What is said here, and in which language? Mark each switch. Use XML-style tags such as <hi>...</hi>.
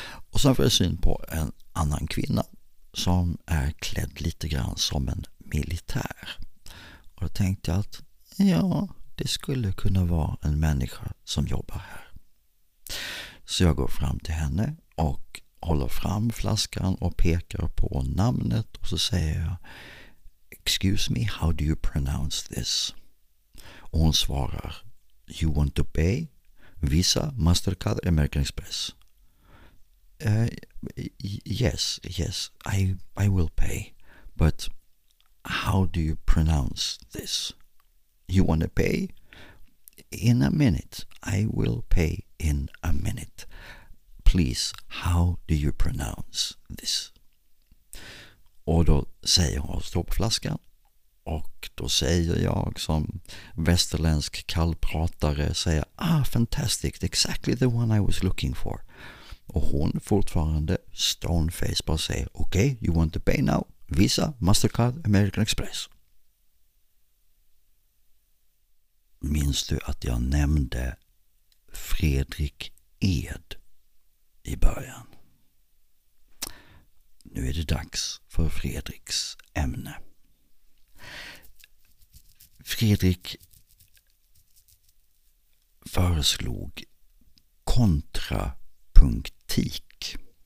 <sv>Och sen får jag syn på en annan kvinna som är klädd lite grann som en militär. Och då tänkte jag att ja, det skulle kunna vara en människa som jobbar här. Så jag går fram till henne och håller fram flaskan och pekar på namnet. Och så säger jag,</sv> <en>excuse me, how do you pronounce this?</en> <sv>Och hon svarar,</sv> <en>you want to pay? Visa, Mastercard, American Express. Yes, I will pay. But how do you pronounce this? You want to pay? In a minute. I will pay in a minute. Please, how do you pronounce this?</en> <sv>Och då säger hon, stå på flaskan. Och då säger jag som västerländsk kallpratare, säger,</sv> <en>ah, fantastic, exactly the one I was looking for.</en> <sv>Och hon fortfarande</sv> <en>stone face</en> <sv>bara säger,</sv> <en>okay, you want to pay now? Visa, Mastercard, American Express.</en> <sv>Minns du att jag nämnde Fredrik Ed i början? Nu är det dags för Fredriks ämne. Fredrik föreslog kontrapunktik.</sv>